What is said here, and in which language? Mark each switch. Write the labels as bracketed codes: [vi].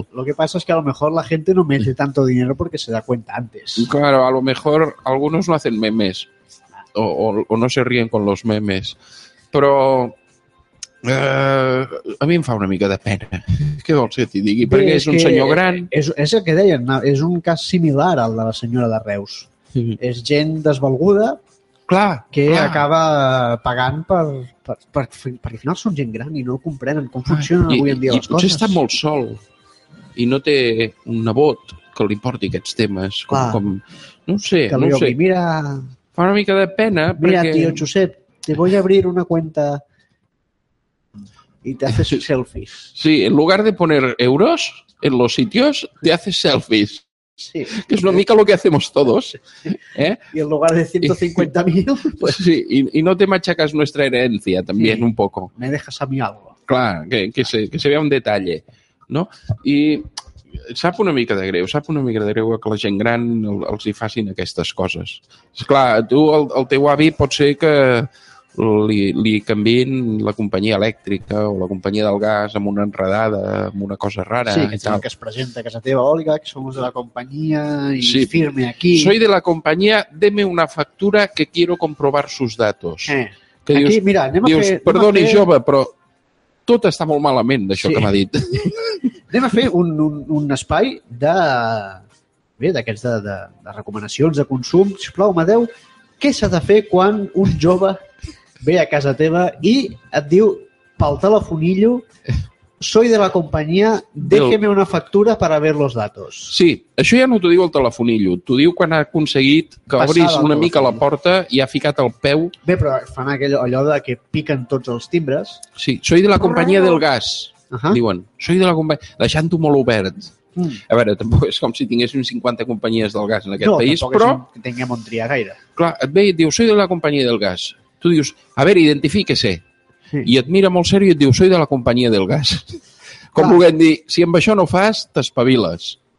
[es] Sí. Lo que pasa es que a lo mejor la gente no mete tanto dinero porque se da cuenta antes. Claro, a lo mejor algunos no hacen memes o no se ríen con los memes. [ca] Però a mi em fa una mica de pena. Què vols que t'hi digui? Bé, perquè és un senyor gran. És el que deien, és un cas similar al de la senyora de Reus. Sí. És gent desvalguda. Clar, que clar. Acaba pagant perquè al final són gent gran i no comprenen com funcionen avui en dia les coses. I potser està molt sol. i no té un nebot que li porti aquests temes. Com, no ho sé, que no ho sé. Mira, fa una mica de pena. Mira, perquè... [es] tio, Josep, te voy a abrir una cuenta y te haces selfies. Sí, en lugar de poner euros en los sitios, te haces selfies. Sí. Que es [ca] una mica [es] lo que hacemos todos, ¿eh? Y en lugar de 150.000, pues... Sí, y no te machacas nuestra herencia también, sí, un poco. Me dejas a mí algo. Claro, que se vea un detalle, ¿no? [ca] Y sap una mica de greu, sap una mica de greu que la gent gran els hi facin aquestes coses. Esclar, tu, el teu avi pot ser que li canviïn la companyia elèctrica o la companyia del gas amb una enredada, amb una cosa rara. Sí, que, tal. Que es presenta a casa teva, Olga, que som de la companyia i sí, [es] firme aquí. Soy de la companyia, deme una factura que quiero comprovar sus datos. [ca] Que aquí, dius, mira, anem a dius, fer... Perdoni, fer... jove, però tot està molt malament d'això, sí, que m'ha dit. Anem a fer un espai de... Bé, d'aquests de recomanacions de consum. Sisplau, Madeu, què s'ha de fer quan un jove ve a casa teva i et diu pel telefonillo, [es] soy de la compañía, déjeme una factura para ver los datos. [ca] Sí, això ja no t'ho diu el telefonillo, t'ho diu quan ha aconseguit que obris una mica la porta i ha ficat el peu. Bé, però fan allò de que piquen tots els timbres. [es] Sí, soy de la compañía del gas, [ca] diuen. [es] Soy de la compañía, [ca] deixant-ho molt obert. A veure, tampoc és com si tinguessin 50 companyies del gas en aquest país, però... No, tampoc és que tinguem on triar gaire. Clar, et ve i et diu, [es] soy de la compañía del gas. [ca] Tu dius, a veure, [es] identifíquese. [ca] Sí. I et mira molt seriós i et diu, [es] soy de la companyia del gas. [ca] Com vulguem dir, si amb això no ho fas, t'espaviles.